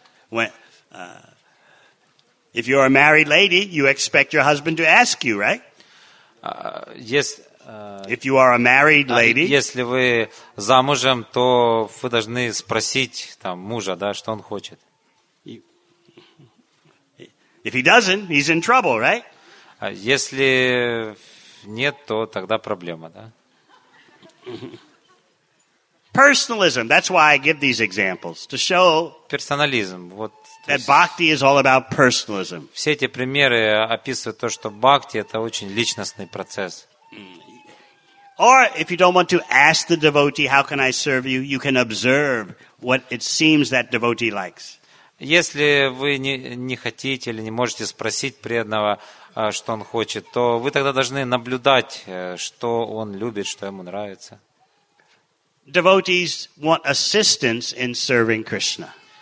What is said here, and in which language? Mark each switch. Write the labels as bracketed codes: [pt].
[en] When, if you're a married lady, you expect your husband to ask you, right? Yes. If you are a married lady, [ru] если вы замужем, то вы должны спросить там мужа, да, что он хочет. [en] If he doesn't, he's in trouble, right? [ru] Если нет, то тогда проблема, да? [en] Personalism. That's why I give these examples to show. [ru] Персонализм. Вот. [en] That bhakti is all about personalism. [ru] Все эти примеры описывают то, что бхакти это очень личностный процесс. [en] Or if you don't want to ask the devotee, how can I serve you? You can observe what it seems that devotee likes. [ru] Если вы не хотите или не можете спросить преданного, что он хочет, то вы тогда должны наблюдать, что он любит, что ему нравится. [en] Devotees want assistance in serving Krishna.